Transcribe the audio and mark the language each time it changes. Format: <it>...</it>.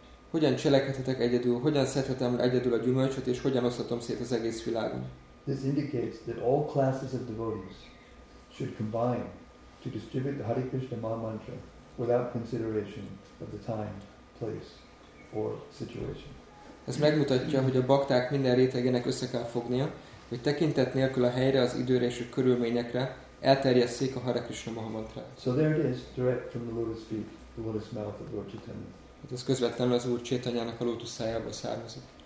<hu>Hogyan cselekedhetek egyedül? Hogyan szedhetem egyedül a gyümölcsöt, és hogyan oszthatom szét az egész világon?</hu> <en>This indicates that all classes of devotees should combine to distribute the Hare Krishna Mahamantra without consideration of the time, place or situation.</en> <hu>Ez megmutatja, hogy a bakták minden rétegének össze kell fognia, hogy tekintet nélkül a helyre, az időre és a körülményekre elterjesszék a Hare Krishna Mahamantrát.</hu> <en>So there it is, direct from the lotus feet, the lotus mouth of Lord Chaitanya.</en> <hu>Hát ez közvetlenül az Úr Chaitanyának a lótusz szájából származik.</hu>